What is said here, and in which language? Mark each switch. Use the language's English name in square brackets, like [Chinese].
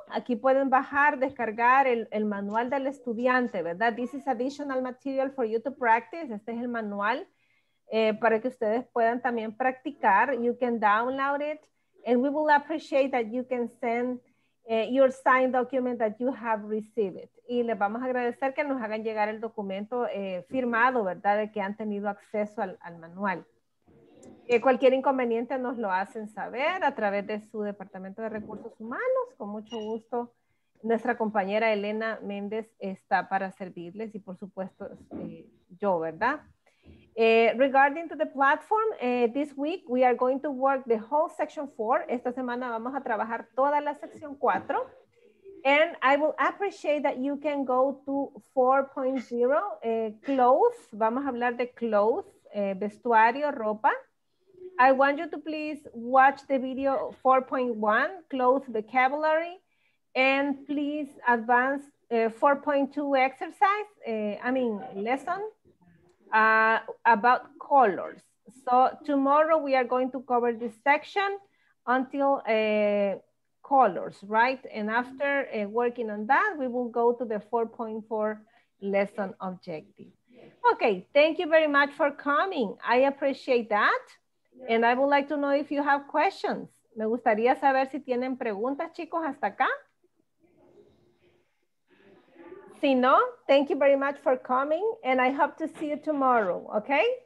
[Spanish] Aquí pueden bajar, descargar el manual del estudiante, ¿verdad? [English] This is additional material for you to practice. [Spanish] Este es el manual para que ustedes puedan también practicar. [English] You can download it. And we will appreciate that you can send your signed document that you have received. [Spanish] Y les vamos a agradecer que nos hagan llegar el documento firmado, ¿verdad? De que han tenido acceso al manual. Cualquier inconveniente nos lo hacen saber a través de su Departamento de Recursos Humanos. Con mucho gusto, nuestra compañera Elena Méndez está para servirles y por supuesto yo, ¿verdad? [English] Regarding to the platform, this week we are going to work the whole section 4. [Spanish] Esta semana vamos a trabajar toda la sección 4. [English] And I will appreciate that you can go to 4.0, clothes. [Spanish] Vamos a hablar de clothes, vestuario, ropa. [English] I want you to please watch the video 4.1, clothes vocabulary. And please advance 4.2 exercise, lesson about colors. So tomorrow we are going to cover this section until colors, right? And after working on that, we will go to the 4.4 lesson objective. Okay, thank you very much for coming. I appreciate that. And I would like to know if you have questions. [Spanish] Me gustaría saber si tienen preguntas, chicos, hasta acá. Si no, [English] thank you very much for coming. And I hope to see you tomorrow, okay?